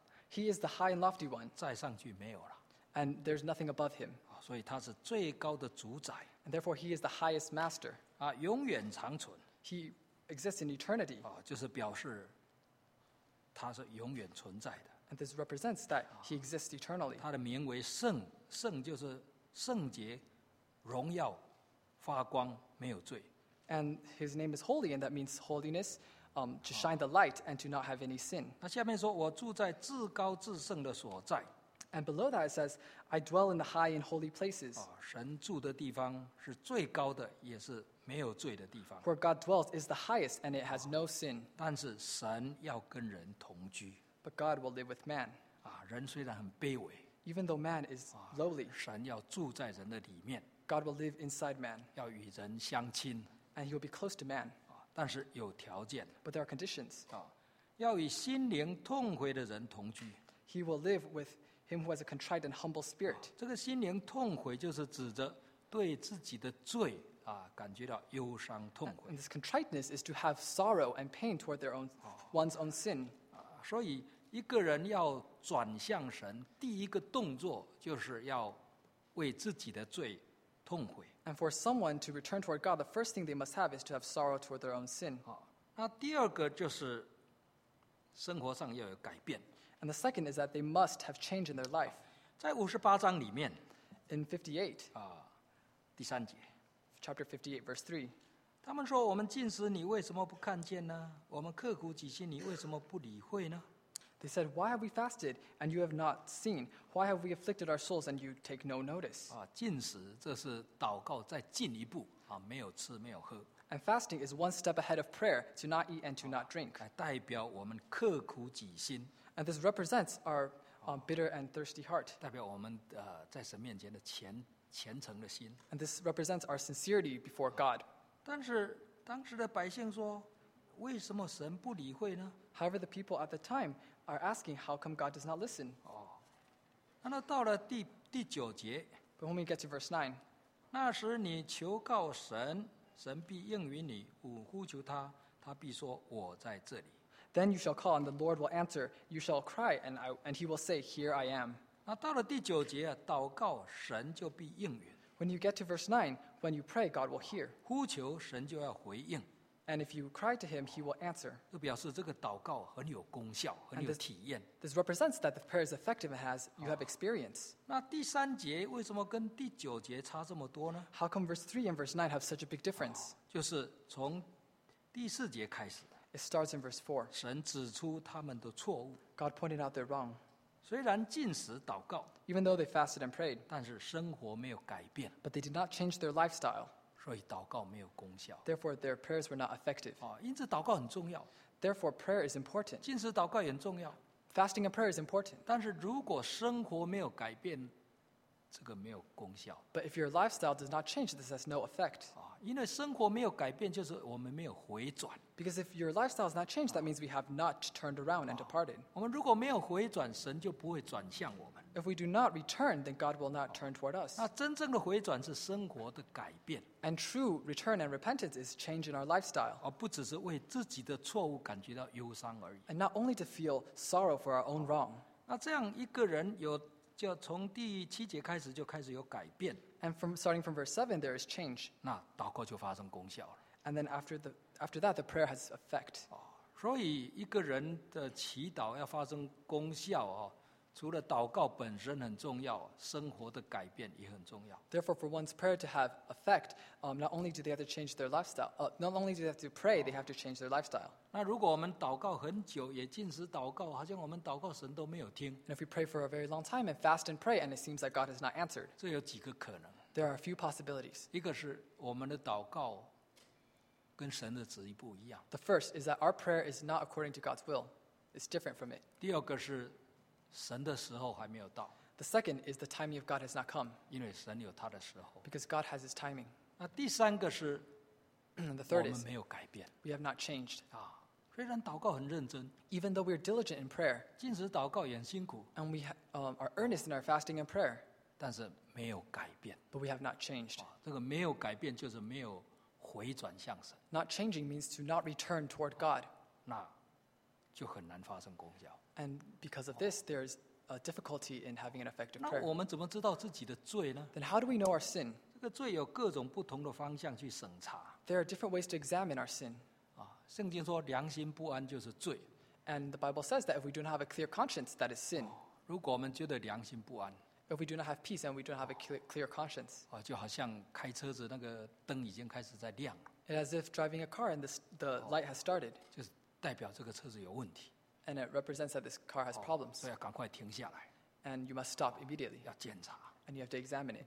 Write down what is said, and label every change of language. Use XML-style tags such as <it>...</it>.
<en>He is the high and lofty one.</en> <zh>再上去没有了,</zh> <en>and there's nothing above him.</en> <zh>所以他是最高的主宰,</zh> <en>and therefore, he is the highest master.</en> <zh>永远长存,</zh> <en>he exists in eternity.</en> <zh>就是表示他是永远存在的,</zh> <en>and this represents that he exists eternally.</en> <zh>他的名为圣, 圣就是圣洁, 荣耀, 发光，没有罪。</zh> <en>And his name is holy, and that means holiness, to shine the light and to not have any sin.</en> <zh>那下面说，我住在至高至圣的所在。</zh> <en>And below that it says, I dwell in the high and holy places.</en> <zh>神住的地方是最高的，也是没有罪的地方。</zh> <en>Where God dwells is the highest, and it has no sin.</en> <zh>但是神要跟人同居。</zh> <en>But God will live with man.</en> <zh>人虽然很卑微。</zh> <en>Even though man is lowly,</en> <zh>神要住在人的里面。</zh> <en>God will live inside man.</en> <zh>要与人相亲。</zh> <en>And he will be close to man.</en> <zh>但是有条件。</zh> <en>But there are conditions.</en> <zh>要与心灵痛悔的人同居。</zh> <en>He will live with him who has a contrite and humble spirit.</en> <zh>这个心灵痛悔就是指着对自己的罪感觉到忧伤痛悔。</zh> <en>And this contriteness is to have sorrow and pain toward their own, one's own sin.</en> <zh>所以一个人要转向神，第一个动作就是要为自己的罪痛悔。</zh> <en>And for someone to return toward God, the first thing they must have is to have sorrow toward their own sin.</en> <zh>那第二个就是生活上要有改变。</zh> <en>And the second is that they must have change in their life.</en> <zh>在五十八章里面</zh> <en>，in 58,</en> <zh>第三节</zh> <en>，chapter 58, verse 3,</en> <zh>他们说：“我们禁食，你为什么不看见呢？我们刻苦己心，你为什么不理会呢？”</zh> <en>They said, "Why have we fasted and you have not seen? Why have we afflicted our souls and you take no notice?"</en> <zh>禁食这是祷告再进一步没有吃没有喝。</zh> <en>And fasting is one step ahead of prayer to not eat and to not drink.</en> <zh>代表我们刻苦己心。</zh> <en>And this represents our bitter and thirsty heart.</en> <zh>代表我们在神面前的虔诚的心。</zh> <en>And this represents our sincerity before God.</en> <zh>但是当时的百姓说，为什么神不理会呢？</zh> <en>However, the people at the time are asking, how come God does not listen?</en> <zh>那到了第九节。</zh> <en>But when we get to verse 9,</en> <zh>那时你求告神，神必应允你，吾呼求他，他必说，我在这里。</zh> <en>Then you shall call, and the Lord will answer. You shall cry, and he will say, Here I am.</en> <zh>到了第九节，祷告神就必应允。</zh> <en>When you get to verse 9, when you pray, God will hear.</en> <zh>呼求神就要回应。</zh> <en>And if you cry to him, he will answer.</en> <zh>就表示这个祷告很有功效，很有体验。</zh> <en>This represents that the prayer is effective and you have experience.</en> <zh>那第三节为什么跟第九节差这么多呢？</zh> <en>How come verse 3 and verse 9 have such a big difference?</en> <zh>就是从第四节开始。</zh> <en>It starts in verse 4.</en> <zh>神指出他们的错误。</zh> <en>God pointed out their wrong.</en> <zh>虽然禁食祷告。</zh> <en>Even though they fasted and prayed.</en> <zh>但是生活没有改变。</zh> <en>But they did not change their lifestyle.</en> <zh>所以祷告没有功效。</zh> <en>Therefore, their prayers were not effective.</en> <zh>因此祷告很重要。</zh> <en>Therefore, prayer is important.</en> <zh>禁食祷告也很重要。</zh> <en>Fasting and prayer is important.</en> <zh>但是如果生活没有改变，这个没有功效。</zh> <en>But if your lifestyle does not change, this has no effect.</en> <zh>因为生活没有改变，就是我们没有回转。</zh> <en>Because if your lifestyle has not changed, that means we have not turned around and departed.</en> <zh>我们如果没有回转，神就不会转向我们。</zh> <en>If we do not return, then God will not turn toward us.</en> <zh>那真正的回转是生活的改变。</zh> <en>And true return and repentance is change in our lifestyle.</en> <zh>不只是为自己的错误感觉到忧伤而已。</zh> <en>And not only to feel sorrow for our own wrong.</en> <zh>那这样一个人有就从第七节开始就开始有改变。</zh> <en>And from starting from verse 7, there is change.</en> <zh>那祷告就发生功效了。</zh> <en>And then after that, the prayer has effect.</en> <zh>所以一个人的祈祷要发生功效除了祷告本身很重要，生活的改变也很重要。</zh> <en>Therefore, for one's prayer to have effect, not only do they have to change their lifestyle, not only do they have to pray, they have to change their lifestyle.</en> <zh>那如果我们祷告很久，也禁食祷告，好像我们祷告神都没有听。</zh> <en>And if we pray for a very long time and fast and pray, and it seems like God has not answered.</en> <zh>这有几个可能。</zh> <en>There are a few possibilities.</en> <zh>一个是我们的祷告跟神的旨意不一样。</zh> <en>The first is that our prayer is not according to God's will. It's different from it.</en> <zh>第二个是神的时候还没有到。</zh> <en>The second is the timing of God has not come.</en> <zh>因为神有他的时候。</zh> <en>Because God has his timing.</en> <zh>那第三个是</zh> <en>the third is,</en> <zh>我们没有改变。</zh> <en>We have not changed.</en> <zh>虽然祷告很认真。</zh> <en>Even though we are diligent in prayer.</en> <zh>禁食祷告也很辛苦。</zh> <en>And we are earnest in our fasting and prayer.</en> <zh>但是没有改变。</zh> <en>But we have not changed.</en> <zh>这个没有改变就是没有回转向神。</zh> <en>Not changing means to not return toward God.</en> <zh>那就很难发生功效。</zh> <en>And because of this, there is a difficulty in having an effective prayer.</en> <zh>那我们怎么知道自己的罪呢？</zh> <en>Then how do we know our sin?</en> <zh>这个罪有各种不同的方向去审查。</zh> <en>There are different ways to examine our sin.</en> <zh>圣经说良心不安就是罪。</zh> <en>And the Bible says that if we do not have a clear conscience, that is sin.</en> <zh>如果我们觉得良心不安，</zh> <en>If we do not have peace and we don't have a clear conscience.</en> <zh>就好像开车子那个灯已经开始在亮。</zh> <en>It's as if driving a car and the light has started.</en> <zh>就是代表这个车子有问题。</zh> <en>And it represents that this car has problems.</en> <zh>所以要赶快停下来。</zh> <en>And you must stop immediately.</en> <zh>要检查。</zh> <en>And you have to examine it.</en>